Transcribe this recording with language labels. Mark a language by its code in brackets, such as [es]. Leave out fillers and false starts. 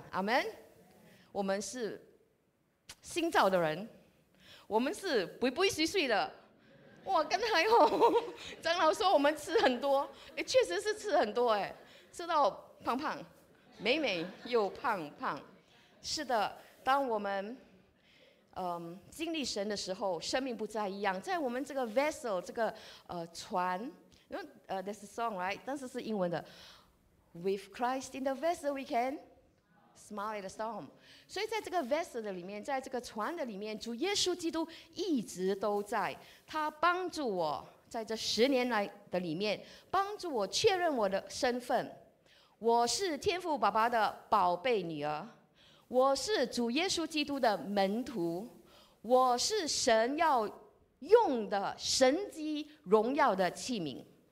[zh] 阿们，我们是新造的人，我们是肥肥碎碎的。哇，刚才哦，长老说我们吃很多，哎，确实是吃很多，哎，吃到胖胖，美美又胖胖。是的，当我们经历神的时候，生命不再一样。在我们这个 [en] vessel [zh] 这个船，因为 [en] there's a song right， [zh] 但是是英文的 [en] ，With Christ in the vessel we can smile at the storm。 [zh] 所以在这个 vessel 的里面，在这个船的里面，主耶稣基督一直都在，他帮助我在这十年来的里面，帮助我确认我的身份，我是天父爸爸的宝贝女儿，我是主耶稣基督的门徒，我是神要用的神迹荣耀的器皿。